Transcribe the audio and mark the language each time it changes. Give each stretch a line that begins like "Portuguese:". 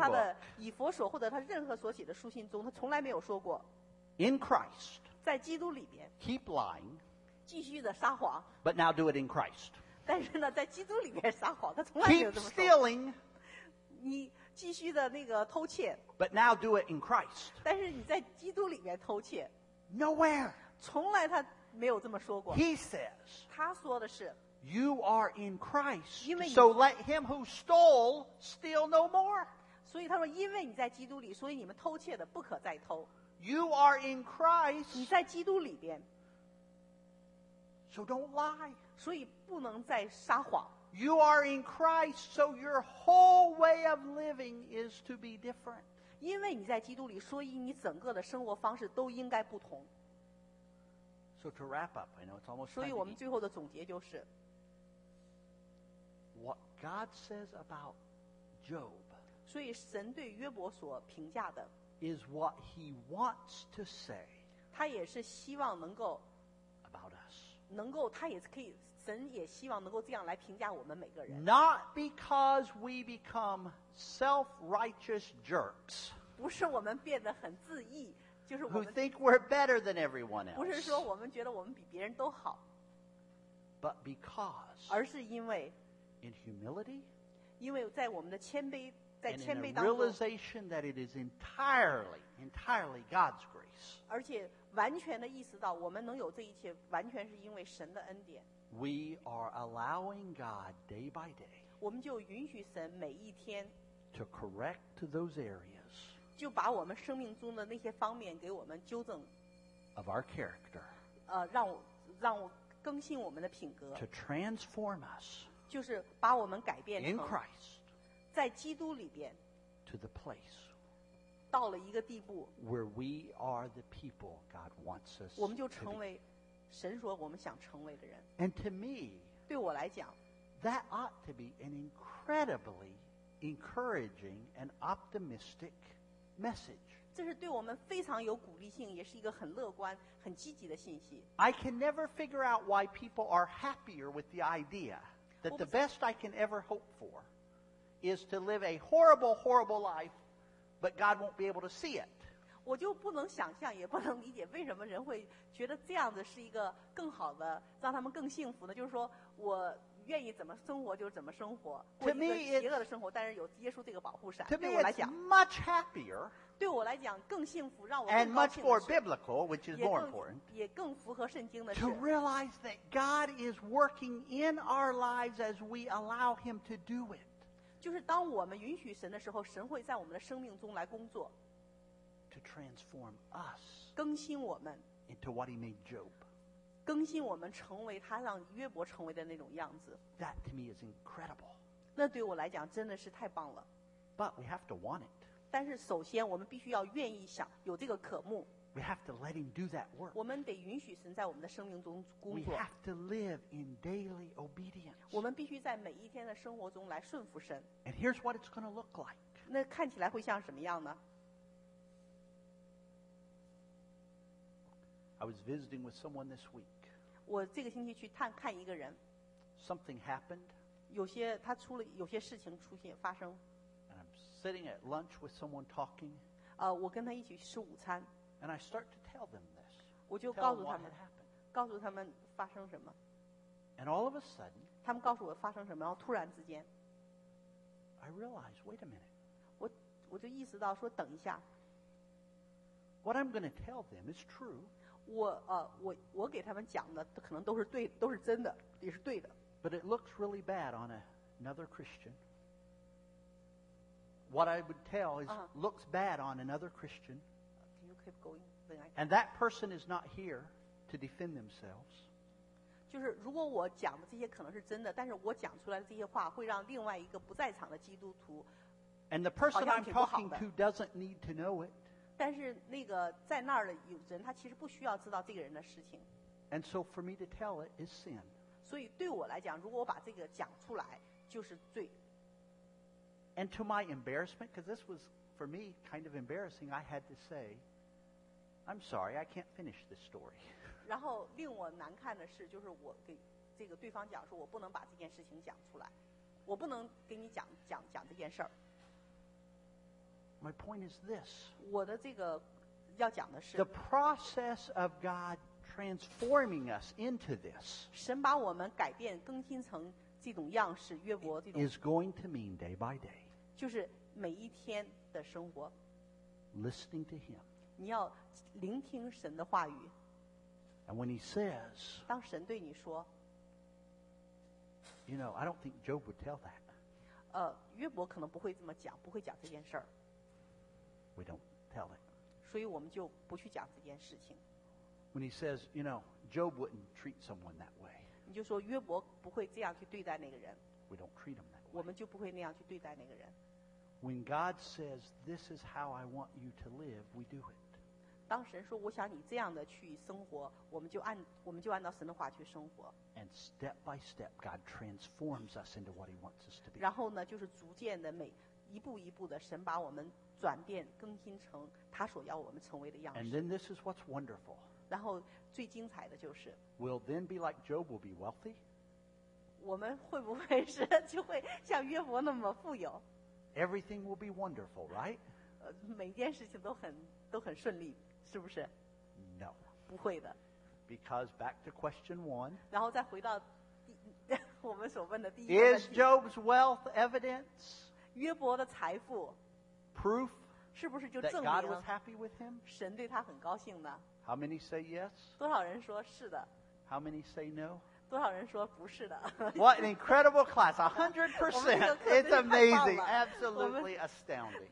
Chinese: 保罗在他的以弗所或者他任何所写的书信中，他从来没有说过。
English: In Christ.
Chinese: 在基督里边。
English: Keep lying.
Chinese: 继续的撒谎。
English: But now do it in Christ.
Chinese: 但是呢，在基督里边撒谎，他从来没有这么说。
English: Keep stealing.
Chinese: 你继续的那个偷窃。
English: But now do it in Christ.
Chinese: 但是你在基督里边偷窃。
English: Nowhere.
Chinese: 从来他。没有这么说过。
English: He says,
Chinese: 他说的是
English: You are in Christ, so let him who stole steal no more.
Chinese: 所以他说因为你在基督里所以你们偷窃的不可再偷。
English: You are in Christ,
Chinese: 你在基督里边
English: so don't lie.
Chinese: 所以不能再撒谎。
English: You are in Christ, so your whole way of living is to be different.
Chinese: 因为你在基督里所以你整个的生活方式都应该不同。
English: So to wrap up, I know it's almost.
Chinese: 所以我们最后的总结就是
English: ，What God says about Job.
Chinese: 所以神对约伯所评价的
English: is what He wants to say.
Chinese: 他也是希望能够
English: about us.
Chinese: 能够他也可以，神也希望能够这样来评价我们每个人。
English: Not because we become self-righteous jerks.
Chinese: 不是我们变得很自义。
English: Who think we're better than everyone else.
Chinese: 不是说我们觉得我们比别人都好。
English: But because.
Chinese: 而是因为。
English: In humility.
Chinese: 因为在我们的谦卑，在谦卑当中。
English: Realization that it is entirely, entirely God's grace.
Chinese: 而且完全的意识到我们能有这一切完全是因为神的恩典。
English: We are allowing God day by day.
Chinese: 我们就允许神每一天。
English: To correct to those areas.
Chinese: 就把我们生命中的那些方面给我们纠正
English: of our character
Chinese: 让我更新我们的品格
English: to transform us
Chinese: 就是把我们改变成
English: in Christ
Chinese: 在基督里边
English: to the place
Chinese: 到了一个地步
English: where we are the people God wants us
Chinese: 我们就成为神说我们想成为的人
English: and to me
Chinese: 对我来讲
English: that ought to be an incredibly encouraging and optimisticMessage.
Chinese: 这是对我们非常有鼓励性，也是一个很乐观、很积极的信息。
English: I can never figure out why people are happier with the idea that the best I can ever hope for is to live a horrible, horrible life but God won't be able to see it.
Chinese: 我就不能想象，也不能理解为什么人会觉得这样子是一个更好的，让他们更幸福呢？就是说我愿意怎么生活就怎么生活，过一个邪恶的生活，但是有耶稣这个保护伞，对我来讲
English: much happier，
Chinese: 对我来讲更幸福，让我更高兴的是
English: and much more biblical， which is more important，
Chinese: 也更符合圣经的是
English: to realize that God is working in our lives as we allow Him to do it，
Chinese: 就是当我们允许神的时候，神会在我们的生命中来工作。
English: To transform us,
Chinese: 更新我们
English: into what he made Job,
Chinese: 更新我们成为他让约伯成为的那种样子
English: That to me is incredible.
Chinese: 那对我来讲真的是太棒了
English: But we have to want it.
Chinese: 但是首先我们必须要愿意想有这个渴慕
English: We have to let him do that work.
Chinese: 我们得允许神在我们的生命中工作
English: We have to live in daily obedience.
Chinese: 我们必须在每一天的生活中来顺服神
English: And here's what it's going to look like.
Chinese: 那看起来会像什么样呢？
English: I was visiting with someone this week.
Chinese: 我这个星期去探看一个人。
English: Something happened.
Chinese: 有些他出了有些事情出现发生。
English: And I'm sitting at lunch with someone talking.
Chinese: 我跟他一起吃午餐。
English: And I start to tell them this.
Chinese: 我就告诉他们
English: what happened.
Chinese: 告诉他们发生什么。
English: And all of a sudden.
Chinese: 他们告诉我发生什么，然后突然之间。
English: I realized, wait a minute.
Chinese: 我就意识到说等一下。
English: What I'm going to tell them is true.
Chinese: 我给他们讲的可能都是对都是真的也是对的
English: but it looks really bad on another Christian what I would tell is looks bad on another Christian can you keep going and that person is not here to defend themselves
Chinese: 就是如果我讲的这些可能是真的但是我讲出来的这些话会让另外一个不在场的基督徒
English: and the person I'm talking to doesn't need to know it
Chinese: 但是那个在那儿的有人他其实不需要知道这个人的事情
English: and so for me to tell it is sin
Chinese: 所以对我来讲如果我把这个讲出来就是罪
English: and to my embarrassment because this was for me kind of embarrassing I had to say I'm sorry I can't finish this story
Chinese: 然后令我难看的是就是我给这个对方讲说我不能把这件事情讲出来我不能给你讲这件事儿
English: My point is this.
Chinese: 我的这个要讲的是
English: The process of God transforming us into this.
Chinese: 神把我们改变更新成这种样式约伯这种
English: is going to mean day by day.
Chinese: 就是每一天的生活
English: Listening to him.
Chinese: 你要聆听神的话语
English: And when he says
Chinese: 当神对你说
English: You know, I don't think Job would tell that.
Chinese: 约伯可能不会这么讲不会讲这件事儿
English: We don't tell it.
Chinese: 所以我们就不去讲这件事情。
English: When he says, you know, Job wouldn't treat someone that way.
Chinese: 你就说约伯不会这样去对待那个人。
English: We don't treat him that way.
Chinese: 我们就不会那样去对待那个人。
English: When God says, this is how I want you to live, we do it.
Chinese: 当神说我想你这样的去生活，我们就按照神的话去生活。
English: And step by step, God transforms us into what He wants us to be.
Chinese: 然后呢，就是逐渐的每一步一步的，神把我们。转变更新成他所要我们成为的样式
English: And then this is what's wonderful.
Chinese: 然后最精彩的就是
English: Will then be like Job will be wealthy?
Chinese: 我们会不会是就会像约伯那么富有
English: Everything will be wonderful, right?
Chinese: 每件事情都很顺利是不是
English: No.
Chinese: 不会的
English: Because back to question one
Chinese: 然后再回到我们所问的第一个
English: Is Job's wealth evidence?
Chinese: 约伯的财富
English: Proof
Chinese: 是不是就证明
English: that God was happy with him?
Chinese: 神对他很高兴呢
English: How many say yes?
Chinese: 多少人说是的
English: How many say no?
Chinese: 多少人说不是的
English: What an incredible class, 100% It's amazing, absolutely astounding